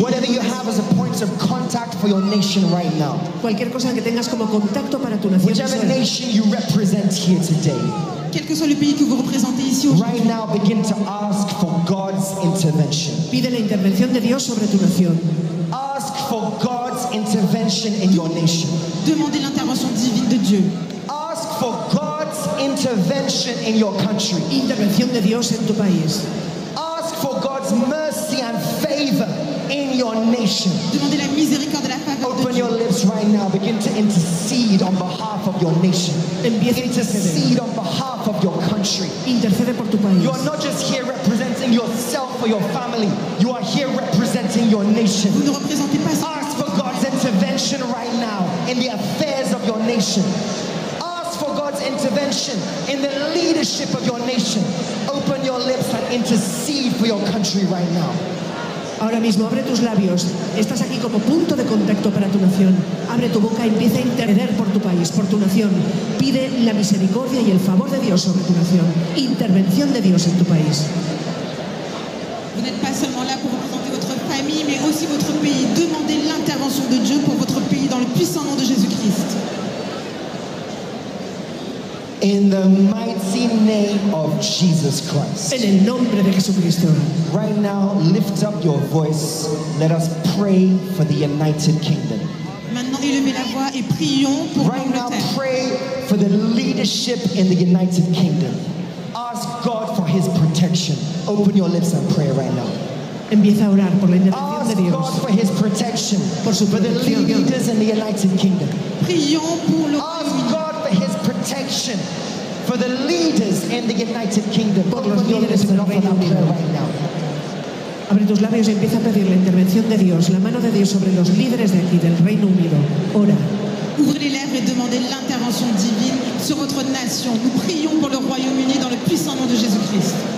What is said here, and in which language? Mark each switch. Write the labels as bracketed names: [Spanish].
[English] Whatever you have as a point of contact for your nation right now. [Spanish] Cualquier cosa que tengas como contacto para tu nación. [English] Whichever nation you represent here today. [French] Quel que soit le pays que vous représentez ici aujourd'hui. [English] Right now, begin to ask for God's intervention. [Spanish] Pide la intervención de Dios sobre tu nación. [English] Ask for God's intervention in your nation. [French] Demandez l'intervention divine de Dieu. [English] Ask for God's intervention in your country. [Spanish] Intervención de Dios en tu país. [English] Ask for God's mercy and favor in your nation. [French] Demandez la miséricorde, la faveur. [English] Open your lips right now. Begin to intercede on behalf of your nation. Intercede on behalf of your country. [Spanish] Intercede por tu país. [English] You are not just here representing yourself or your family. You are here representing your nation. [French] Vous ne représentez pas. [English] Ask for God's intervention right now in the affairs of your nation. Ask for God's intervention in the leadership of your nation. Open your lips and intercede for your country right now. [Spanish] Ahora mismo abre tus labios. Estás aquí como punto de contacto para tu nación. Abre tu boca y empieza a interceder por tu país, por tu nación. Pide la misericordia y el favor de Dios sobre tu nación. Intervención de Dios en tu país. [French] Vous n'êtes pas seulement là pour représenter votre famille, mais aussi votre pays. Demandez l'intervention de Dieu pour votre pays dans le puissant nom de Jésus-Christ. [English] In the mighty name of Jesus Christ. [Spanish] En el nombre de Jesucristo. [English] Right now, lift up your voice. Let us pray for the United Kingdom. [French] Maintenant, élevez la voix et prions pour l'Angleterre. [English] Right now, pray for the leadership in the United Kingdom. Ask God for His protection. Open your lips and pray right now. [Spanish] Empieza a orar por la intervención [English] ask [Spanish] de Dios. [English] Ask God for His protection. [Spanish] Por su [English] for the leaders in the United Kingdom. [French] Prions pour le [English] ask God for His protection. For the leaders in the United Kingdom. Open your lips and offer that prayer right now. [Spanish] Abre tus labios y empieza a pedir la intervención de Dios, la mano de Dios sobre los líderes de aquí, del Reino Unido. Ora. [French] Ouvre les lèvres et demandez l'intervention divine sur votre nation. Nous prions pour le Royaume-Uni dans le puissant nom de Jésus-Christ.